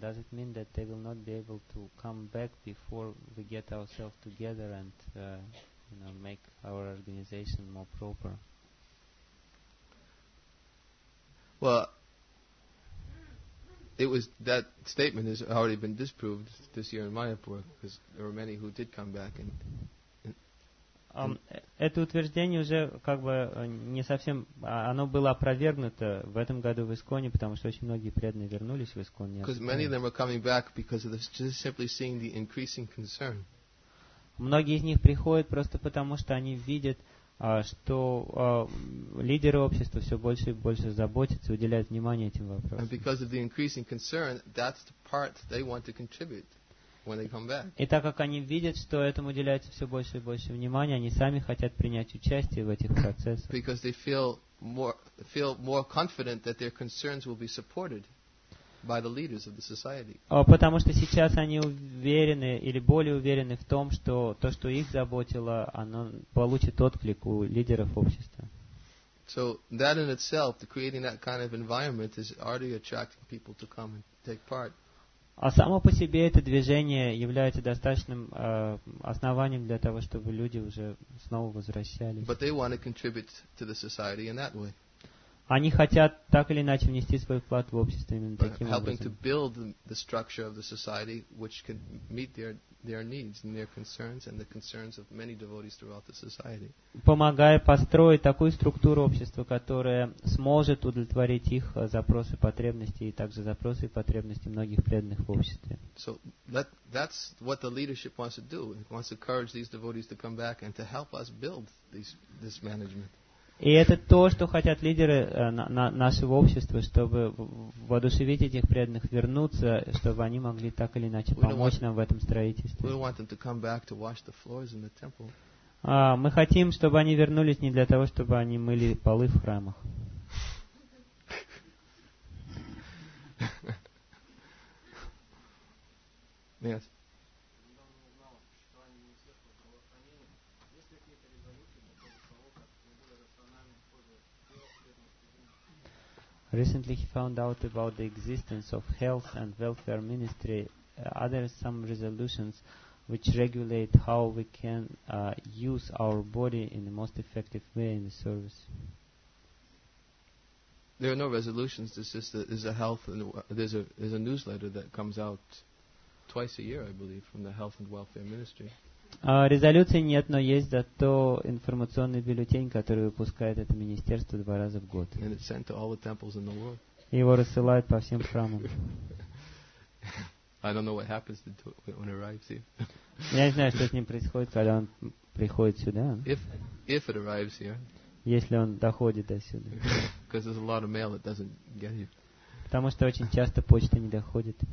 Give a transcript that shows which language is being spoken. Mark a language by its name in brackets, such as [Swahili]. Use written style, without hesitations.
[English] Does it mean that they will not be able to come back before we get ourselves together and make our organization more proper? Well, that statement has already been disproved this year in Mayapur, because there were many who did come back and. [Russian] Это утверждение уже как бы не совсем, оно было опровергнуто в этом году в Исконе, потому что очень многие преданные вернулись в Искон. [English] Because many of them are coming back because of just simply seeing the increasing concern. [Russian] Многие из них приходят просто потому, что они видят, что лидеры общества все больше и больше заботятся, уделяют внимание этим вопросам. [English] And because of the increasing concern, that's the part they want to contribute. When they come back. [Russian] И так как они видят, что этому уделяется все больше и больше внимания, они сами хотят принять участие в этих процессах. [English] Because they feel feel more confident that their concerns will be supported by the leaders of the society. [Russian] Потому что сейчас они уверены или более уверены в том, что то, что их заботило, оно получит отклик у лидеров общества. [English] So that in itself, the creating that kind of environment is already attracting people to come and take part. [Russian] А само по себе это движение является достаточным основанием для того, чтобы люди уже снова возвращались. [English] But they want to contribute to the society in that way. [Russian] Они хотят так или иначе внести свой вклад в общество именно таким образом. [English] Helping to build the structure of the society which can meet their needs and their concerns and the concerns of many devotees throughout the society. [Russian] Помогая построить такую структуру общества, которая сможет удовлетворить их запросы, потребности и также запросы и потребности многих преданных в обществе. [English] So that's what the leadership wants to do. It wants to encourage these devotees to come back and to help us build this management. [Russian] И это то, что хотят лидеры нашего общества, чтобы воодушевить этих преданных вернуться, чтобы они могли так или иначе помочь нам в этом строительстве. Мы хотим, чтобы они вернулись не для того, чтобы они мыли полы в храмах. [English] Yes. Recently, he found out about the existence of health and welfare ministry. Are there some resolutions which regulate how we can use our body in the most effective way in the service? There are no resolutions. It's just that there's a health and there's a newsletter that comes out twice a year, I believe, from the health and welfare ministry. [Russian] Резолюции нет, но есть зато информационный бюллетень, который выпускает это министерство два раза в год. [English] And it's sent to all the temples in the world. [Russian] И его рассылают по всем храмам. [English] I don't know what happens to it when it arrives here. [Russian] Я не знаю, что с ним происходит, когда он приходит сюда. [English] If it arrives here. [Russian] Если он доходит до сюда. [English] Because there's a lot of mail that doesn't get here. [Russian] Потому что очень часто почта не доходит.